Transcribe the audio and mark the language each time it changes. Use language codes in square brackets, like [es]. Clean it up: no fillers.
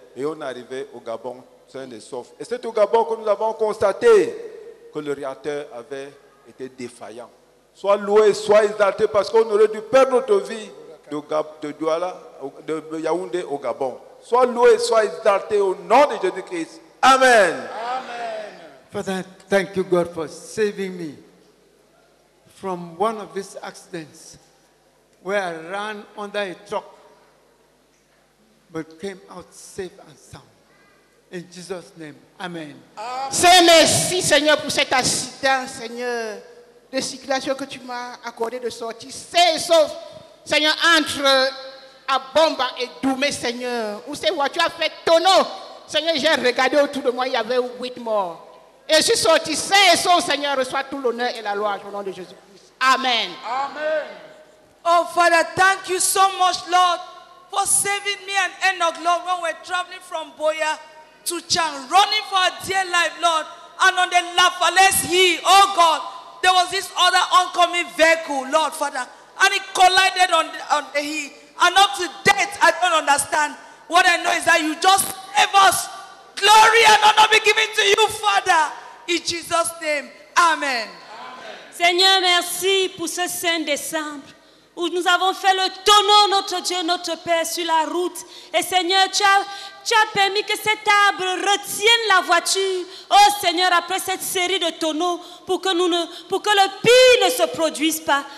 [fr] Et on est arrivé au Gabon, sain et sauf. Et c'est au Gabon que nous avons constaté que le réacteur avait été défaillant. Soit loué, soit exalté, parce qu'on aurait dû perdre notre vie de Yaoundé au Gabon. Soit loué, soit exalté au nom de Jésus-Christ. Amen. Amen. [en] Father, thank you, God, for saving me from one of these accidents where I ran under a truck but came out safe and sound. In Jesus' name, amen. [fr] Seigneur, merci, Seigneur, pour cet accident, Seigneur, de circulation que tu m'as accordé de sortir. C'est sauf, Seigneur, entre à Bomba et Doumé, Seigneur, où ces voitures ont fait tonneau. Seigneur, j'ai regardé autour de moi, il y avait 8 morts. Et je suis sorti sain et sauf, Seigneur, reçois tout l'honneur et la louange au nom de Jésus-Christ. Amen. Amen. [en] Oh, Father, thank you so much, Lord, for saving me and Enoch, Lord, when we're traveling from Boya to Chang, running for our dear life, Lord. And on the Lafales Hill, oh, God, there was this other oncoming vehicle, Lord, Father, and it collided on the hill. And up to date, I don't understand. What I know is that you just save us. Glory and honor be given to you, Father. In Jesus' name, amen. Amen. [fr] Seigneur, merci pour ce 5 décembre où nous avons fait le tonneau, notre Dieu, notre Père, sur la route. Et Seigneur, tu as permis que cet arbre retienne la voiture. Oh Seigneur, après cette série de tonneaux, pour que le pire ne se produise pas.